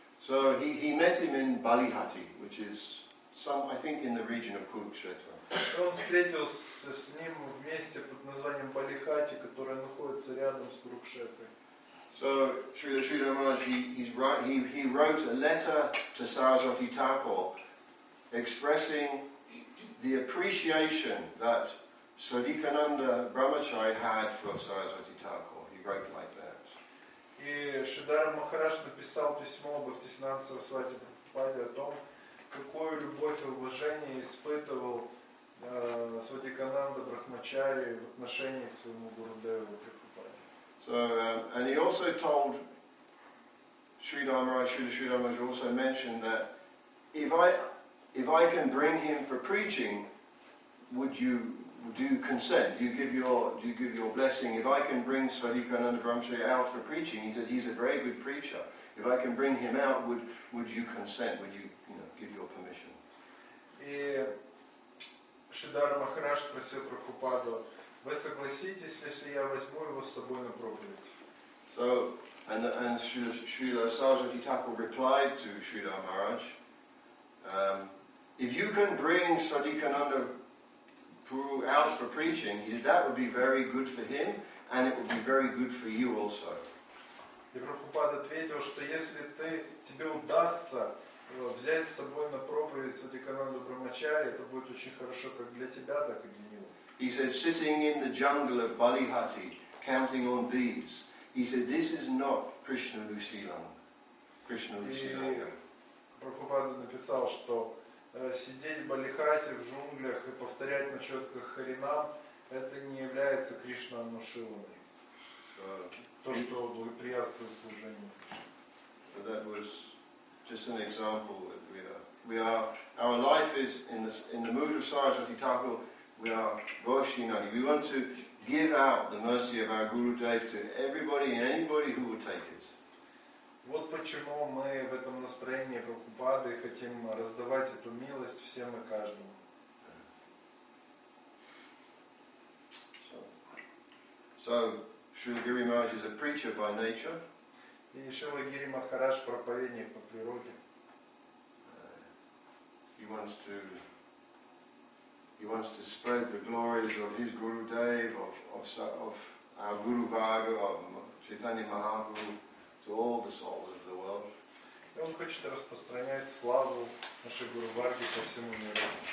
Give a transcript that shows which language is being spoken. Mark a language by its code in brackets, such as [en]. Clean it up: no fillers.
[en] So he met him in Balihati, which is some, I think, in the region of Kurukshetra. [ru] Он встретился с ним в месте под названием Балихати, которое находится рядом с Курукшетрой. [en] So Srila Sridhar Maharaj, he wrote a letter to Saraswati Thakur expressing the appreciation that Swadhikananda Brahmacharya had for Saraswati Thakur. He wrote like that. [ru] И Шридхар Махарадж написал письмо Бхактисиддханте Сарасвати Прабхупаде о том, какую любовь и уважение испытывал Свадхикананда Брахмачари в отношении к своему Гурудеву Прабхупаде. [en] So and he also told Sridhar Maharaj also mentioned that if I can bring him for preaching, do you consent? Do you give your blessing? If I can bring Swadhikananda Brahmacharya out for preaching, he said he's a very good preacher. If I can bring him out, would you consent? Would you, you know, give your permission? [ru] Шридхар Махарадж спросил Прабхупаду, вы согласитесь, если я возьму его с собой на проповедь? [en] So, and Srila Saraswati Thakur replied to Sridhar Maharaj, if you can bring Swadhikananda Prabhu out for preaching, that would be very good for him, and it would be very good for you also. [ru] И Прабхупада ответил, что если тебе удастся взять с собой на проповедь Свадхикананду Брахмачари, это будет очень хорошо как для тебя, так и для него. [en] He said, sitting in the jungle of Balihati, counting on beads, he said, this is not Krishna Lusilam. Krishna Lusilam. [ru] Прабхупада написал, что сидеть в Балихате, в джунглях и повторять на четках Харинам, это не является Кришна Анушиламой. То, что благоприятствует служению. [en] Just an example that we are our life is in the mood of Saraswati Thakur, we are Vaishnavi. We want to give out the mercy of our Gurudev to everybody and anybody who will take it. [ru] Вот почему мы в этом настроении Прабхупады хотим раздавать эту милость всем и каждому. [en] So Srila Giri Maharaj is a preacher by nature. [ru] И Шрила Гири Махарадж проповедник по природе. [en] He wants to spread the glories of his Gurudev, of our Guru Bhaga, of Chaitanya Mahaprabhu to all the souls of the world. [ru] И он хочет распространять славу нашей Гуру Варги по всему миру.